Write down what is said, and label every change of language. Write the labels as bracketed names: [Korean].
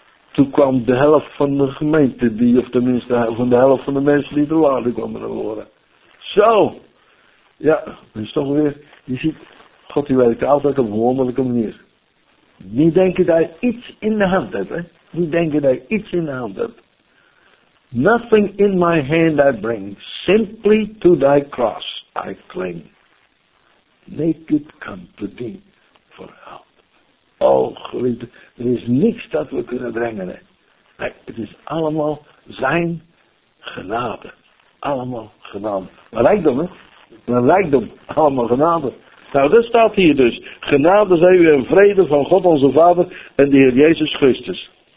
[Dutch] Toen kwam de helft van de gemeente, die, of tenminste van de helft van de mensen die er waren, kwamen er horen. Zo! Ja, dat is toch weer, je ziet, God die werkt altijd op een wonderlijke manier. Niet denken dat je iets in de hand hebt, hè? Niet denken dat je iets in de hand hebt. [English] Nothing in my hand I bring, simply to thy cross I cling. Naked come to thee for help. [Dutch] Oh, geliefde, er is niks dat we kunnen brengen. Hè. Nee, het is allemaal zijn genade. Allemaal genade. Een rijkdom, hè? Een rijkdom. Allemaal genade. Nou, dat staat hier dus. Genade zij u en vrede van God onze Vader en de Heer Jezus Christus.